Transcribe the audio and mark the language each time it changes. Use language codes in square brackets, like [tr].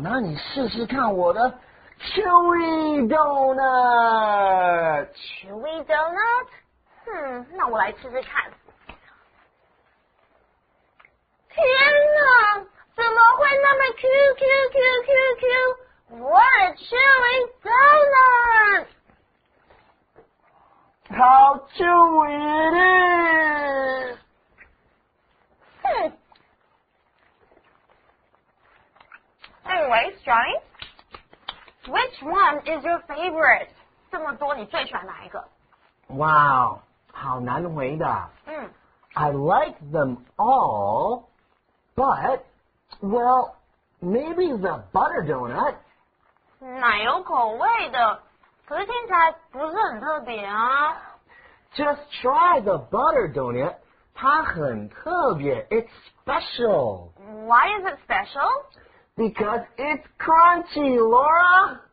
[zh] 那你试试看我的 chewy donut。 chewy donut？ 那我来试试看。天哪，怎么会那么 QQQQQ？我的 chewy donut！ [en] How chewy it is! 哼。 Anyways, Johnny, which one is your favorite? [zh] 这么多，你最喜欢哪一个？ Wow, 好难回答。 [en] I like them all, but, well, maybe the butter donut. [zh] 奶油口味的，可是听起来不是很特别啊。 [en] Just try the butter donut. [zh] 它很特别 [en] It's special. Why is it special? Because it's crunchy, Laura.